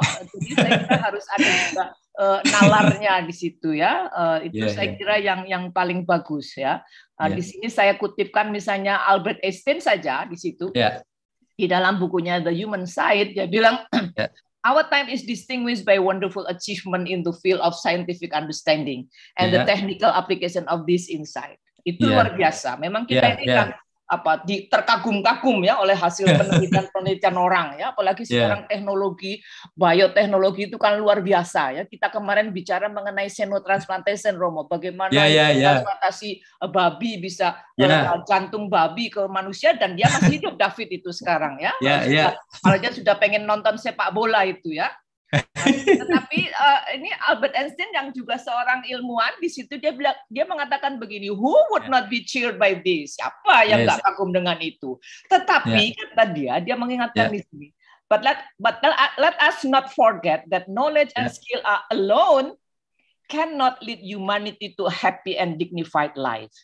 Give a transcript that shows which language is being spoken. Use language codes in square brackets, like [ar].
[id] Jadi saya kira harus ada juga nalarnya di situ ya. Saya kira yang paling bagus ya. Di sini saya kutipkan misalnya Albert Einstein saja di situ. Di dalam bukunya The Human Side dia bilang [en] our time is distinguished by wonderful achievement in the field of scientific understanding and the technical application of this insight. [id] Itu luar biasa. Memang kita ini kan terkagum-kagum ya oleh hasil penelitian-penelitian orang ya, apalagi sekarang teknologi bioteknologi itu kan luar biasa ya. Kita kemarin bicara mengenai xenotransplantation Romo, bagaimana transplantasi babi bisa jantung babi ke manusia dan dia masih hidup David itu sekarang ya. Apalagi sudah pengen nonton sepak bola itu ya. Tetapi ini Albert Einstein yang juga seorang ilmuwan di situ dia mengatakan begini, [en] who would not be cheered by this? [id] Siapa yang enggak kagum dengan itu? Tetapi kata dia mengingatkan di sini, [en] but let us not forget that knowledge and skill alone cannot lead humanity to happy and dignified life.